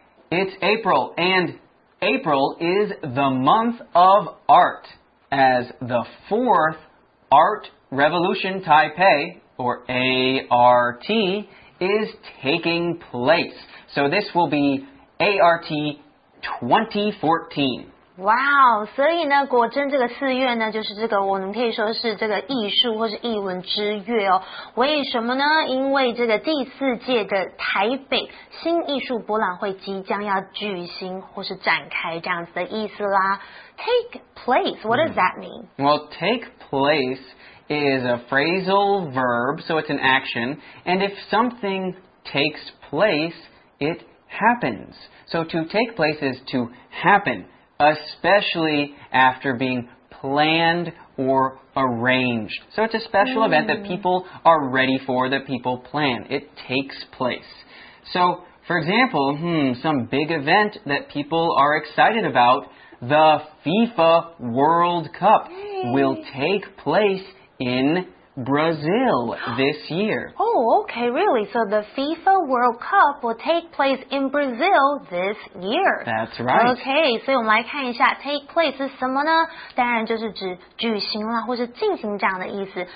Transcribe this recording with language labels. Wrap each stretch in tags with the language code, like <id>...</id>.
<en>It's April, and April is the month of art, as the fourth Art Revolution Taipei, or ART,is taking place. So this will be ART 2014.</en> <zh>Wow, 所以呢果真这个四月呢就是这个我们可以说是这个艺术或是艺文之月哦。为什么呢？因为这个第四届的台北新艺术博览会即将要举行或是展开这样子的意思啦。</zh> <en>Take place, what does that mean? Well, take placeis a phrasal verb, so it's an action, and if something takes place, it happens. So to take place is to happen, especially after being planned or arranged. So it's a special event that people are ready for, that people plan. It takes place. So, for example, some big event that people are excited about, the FIFA World Cup will take place in Brazil this year. Oh, okay, really? So the FIFA World Cup will take place in Brazil this year. That's right.</en> <zh>Okay, 所以我们来看一下 take place 是什么呢？当然就是指举行啦，或是进行这样的意思。</zh>